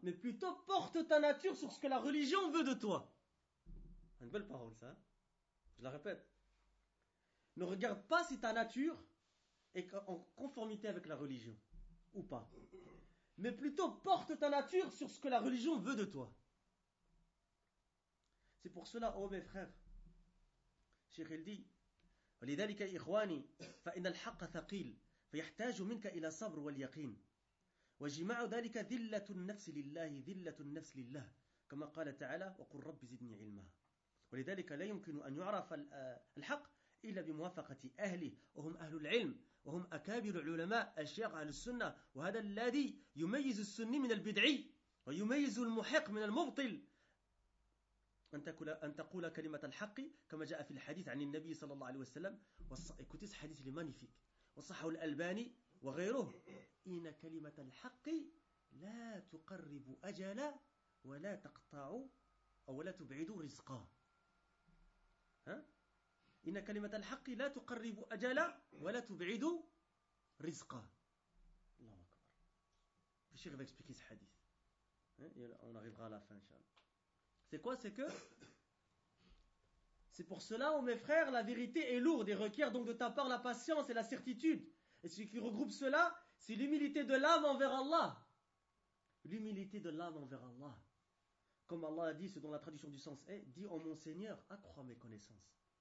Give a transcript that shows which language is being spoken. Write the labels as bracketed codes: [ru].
[fr] Mais plutôt, porte ta nature sur ce que la religion veut de toi. Une belle parole, ça. Je la répète. Ne regarde pas si ta nature est en conformité avec la religion ou pas. Mais plutôt, porte ta nature sur ce que la religion veut de toi. C'est pour cela, oh mes frères, Cheikh il dit, [ar] ولذلك إخواني فإن الحق ثقيل فيحتاج منك إلى صبر واليقين وجماع ذلك ذلة النفس لله ذلة النفس لله كما قال تعالى وقل رب زدني علما ولذلك لا يمكن أن يعرف الحق إلا بموافقة أهله وهم أهل العلم وهم أكابر العلماء أشياخ أهل السنة وهذا الذي يميز السني من البدعي ويميز المحق من المبطل أن تقول كلمة الحق كما جاء في الحديث عن النبي صلى الله عليه وسلم وصحيح حديث لمانيفيك وصحه الألباني وغيره إن كلمة الحق لا تقرب أجلا ولا تقطع أو لا تبعد رزقا إن كلمة الحق لا تقرب أجلا ولا تبعد رزقا الله أكبر الشيخ [fr] va expliquer ce hadith on arrivera à la fin inshallah. C'est quoi? C'est que c'est pour cela, oh mes frères, la vérité est lourde et requiert donc de ta part la patience et la certitude. Et ce qui regroupe cela, c'est l'humilité de l'âme envers Allah. L'humilité de l'âme envers Allah. Comme Allah a dit, ce dont la traduction du sens est, dis en mon Seigneur, accrois mes connaissances.